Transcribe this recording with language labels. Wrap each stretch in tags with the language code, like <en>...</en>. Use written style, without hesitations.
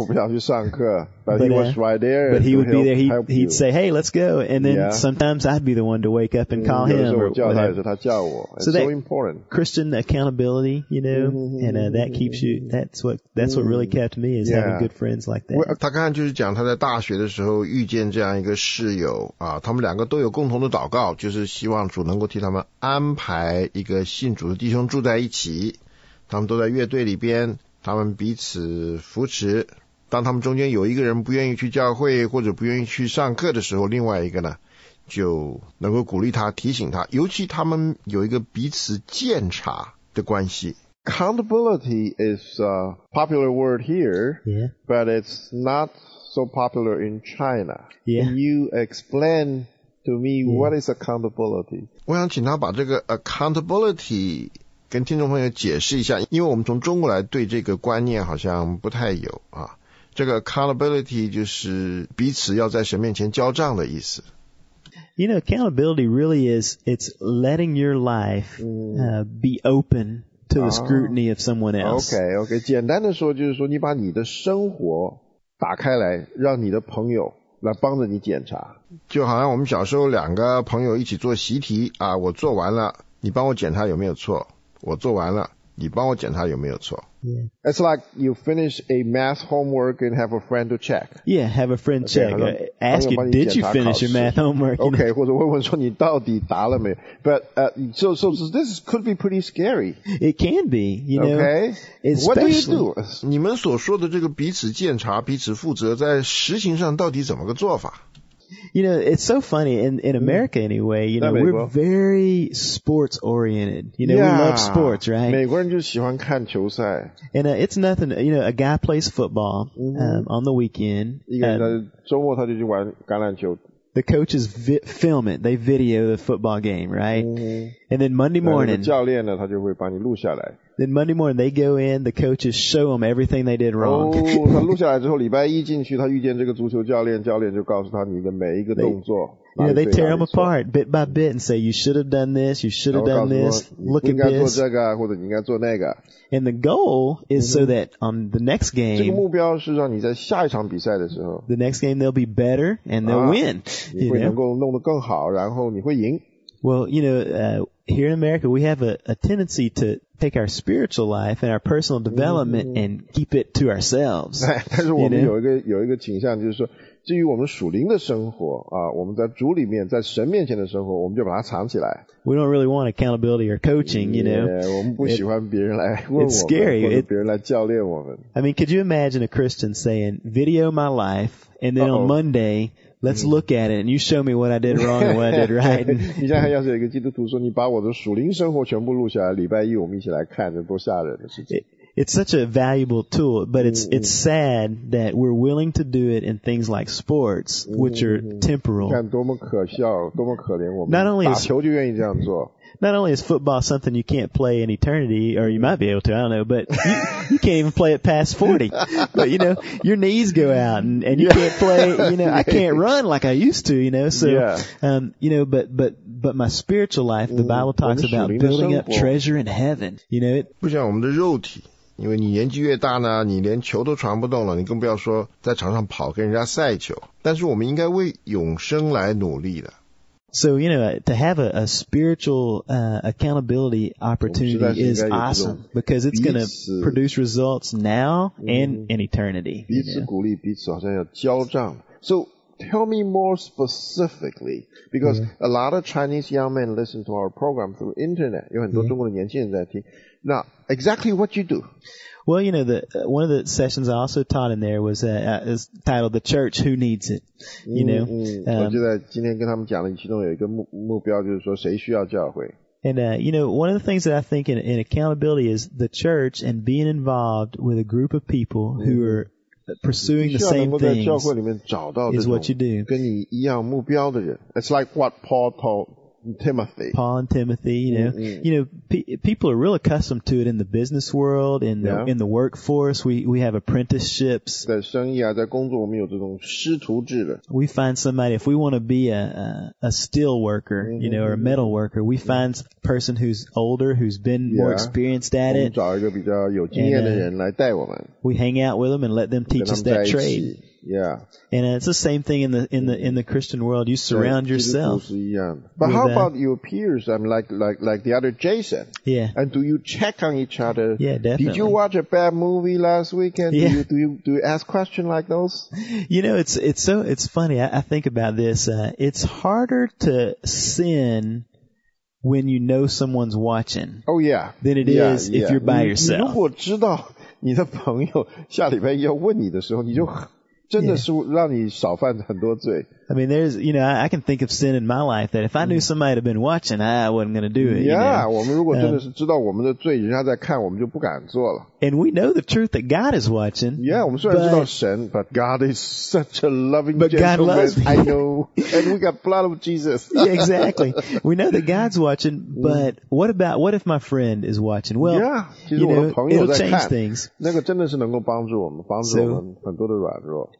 <en>But he was right there. But he would be there. He'd say, hey, let's go. And then sometimes I'd be the one to wake up and call him. So that important. Christian accountability, you know, and that keeps you, that's what really kept me is having good friends like that.</en> <zh>他刚刚就是讲他在大学的时候遇见这样一个室友啊，他们两个都有共同的祷告，就是希望主能够替他们安排一个信主的弟兄住在一起。他们都在乐队里边，他们彼此扶持。当他们中间有一个人不愿意去教会或者不愿意去上课的时候，另外一个呢就能够鼓励他，提醒他，尤其他们有一个彼此鉴察的关系。</zh> <en>Accountability is a popular word here, but it's not so popular in China. Can you explain to me what is accountability?</en> <zh>我想请他把这个 accountability 跟听众朋友解释一下，因为我们从中国来对这个观念好像不太有啊。这个 accountability 就是彼此要在神面前交账的意思。</zh> <en>You know, accountability really is, it's letting your life be open to the scrutiny of someone else. Okay.</en> <zh>简单的说就是说你把你的生活打开来，让你的朋友来帮着你检查。就好像我们小时候两个朋友一起做习题啊，我做完了，你帮我检查有没有错，我做完了。你帮我检查有没有错。</zh> <en>It's like you finish a math homework and have a friend to check. Yeah, have a friend check. Ask you, did you finish your math homework? Okay,</en> <zh>或者问问说你到底答了没有。</zh> <en>But, so this could be pretty scary. It can be, you know. Okay. What do you do?</en> <zh>你们所说的这个彼此检查、彼此负责，在实行上到底怎么个做法？</zh> <en>You know, it's so funny, in America anyway, you know, we're very sports oriented. You know, we love sports, right?</en> <zh>美国人就喜欢看球赛。</zh> <en>And it's nothing, you know, a guy plays football on the weekend.</en> <zh>一个人周末他就去玩橄榄球。</zh> <en>The coaches film it. They video the football game, right? And then Monday morning,</en> <zh>教练呢，他就会把你录下来。</zh> <en>Then Monday morning, they go in. The coaches show them everything they did wrong.</en> <zh>他录下来之后，礼拜一进去，他遇见这个足球教练，教练就告诉他你的每一个动作。</zh> <en>They tear them apart bit by bit and say, you should have done this, you should have done this, look at this.</en> <zh>你应该做这个，或者你应该做那个。</zh> <en>And the goal is so that on the next game,</en> <zh>这个目标是让你在下一场比赛的时候，</zh> <en>the next game they'll be better and they'll win.</en> <zh>你会能够弄得更好，然后你会赢。</zh> <en>Well, you know, here in America, we have a tendency to take our spiritual life and our personal development and keep it to ourselves.</en> <zh>但是我们有一个倾向，就是说至于我们属灵的生活啊，我们在主里面，在神面前的生活，我们就把它藏起来。</zh> <en>We don't really want accountability or coaching, you know.</en> <zh>Yeah, 我们不喜欢别人来问我们。</zh> <en>It's scary.</en> <zh>或者别人来教练我们。</zh> <en>I mean, could you imagine a Christian saying, "Video my life, and then on Monday, let's look at it, and you show me what I did wrong and what I did right"?</en> <zh>你想想，要是有一个基督徒说，你把我的属灵生活全部录下来，礼拜一我们一起来看，这多吓人的事情！</zh> <en>It's such a valuable tool, but it's sad that we're willing to do it in things like sports, which are temporal.</en> <zh>看多么可笑，多么可怜我们。</zh> <en>Not only is,</en> <zh>打球就愿意这样做。</zh> <en>Not only is football something you can't play in eternity, or you might be able to, I don't know, but you can't even play it past 40. But you know, your knees go out and you can't play, you know, I can't run like I used to, you know, so, you know, but my spiritual life, the Bible talks about building up treasure in heaven, you know, it.</en> <zh>不像我们的肉体。因为你年纪越大呢，你连球都传不动了，你更不要说在场上跑跟人家赛球。但是我们应该为永生来努力的。</zh> <en>So, you know, to have a spiritual, accountability opportunity is awesome because it's going to produce results now and in eternity.</en> <zh>彼此鼓励，彼此好像要交账。</zh> <en>So, tell me more specifically, because a lot of Chinese young men listen to our program through internet.</en> <zh>有很多中国的年轻人在听。</zh> <en>Now, exactly what you do. Well, you know, one of the sessions I also taught in there was, is titled The Church Who Needs It. You know?</en> <zh>我就在今天跟他们讲了其中有一个目标就是说谁需要教会。</zh> <en>And, you know, one of the things that I think in accountability is the church and being involved with a group of people who are pursuing the same things is what you do.</en> <zh>跟你一样目标的人。</zh> <en>It's like what Paul taught. Timothy. Paul and Timothy, you know. You know, people are real accustomed to it in the business world, in the workforce. We have apprenticeships.</en> <zh>在生意啊，在工作，我们有这种师徒制的。</zh> <en>We find somebody, if we want to be a steel worker, you know, or a metal worker, we find a person who's older, who's been more experienced at it.</en> <zh>我们找一个比较有经验的人来带我们。</zh> <en>We hang out with them and let them teach us that trade. Yeah. And it's the same thing in the Christian world. You surround yourself. But how about your peers? I mean, like the other Jason. Yeah. And do you check on each other? Yeah, definitely. Did you watch a bad movie last weekend? Yeah. Do you ask questions like those? You know, it's funny. I think about this. It's harder to sin when you know someone's watching. Oh, yeah. Than it is if you're by yourself.</en> <zh>如果知道你的朋友下礼拜要问你的时候，你就真的是让你少犯很多罪。</zh> <en>I mean, there's, you know, I can think of sin in my life that if I knew somebody had been watching, I wasn't going to do it. Yeah, you know?</en> <zh>我们如果真的是知道我们的罪，人家在看，我们就不敢做了。</zh> <en>And we know the truth that God is watching. Yeah,</en> <zh>我们虽然知道神</zh> <en>but God is such a loving gentleman. But God loves me. I know. And we got blood of Jesus. Yeah, exactly. We know that God's watching, but what if my friend is watching? Well, yeah, you know, it'll change things.</en> <zh>那个真的是能够帮助我们，帮助我们很多的软弱。</zh>